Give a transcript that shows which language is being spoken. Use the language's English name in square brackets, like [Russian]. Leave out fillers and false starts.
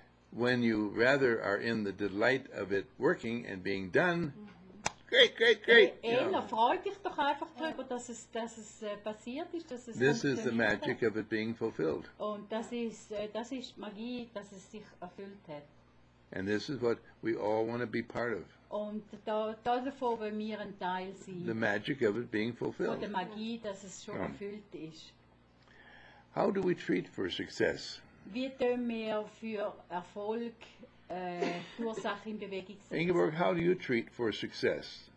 [English] When you rather are in the delight of it working and being done, great. [German] Eher freu dich doch einfach darüber, dass es passiert ist, dass es. [English] This is the magic of it being fulfilled. [German] Und das ist Magie, dass es sich erfüllt hat. [English] And this is what we all want to be part of. [German] Und da davor wollen wir ein Teil sein. [English] The magic of it being fulfilled. [German] Von der Magie, dass es schon erfüllt ist. [English] How do we treat for success? [German] Wie tun wir für Erfolg die Ursache in Bewegung setzen? [English] Ingeborg, how do you treat for success?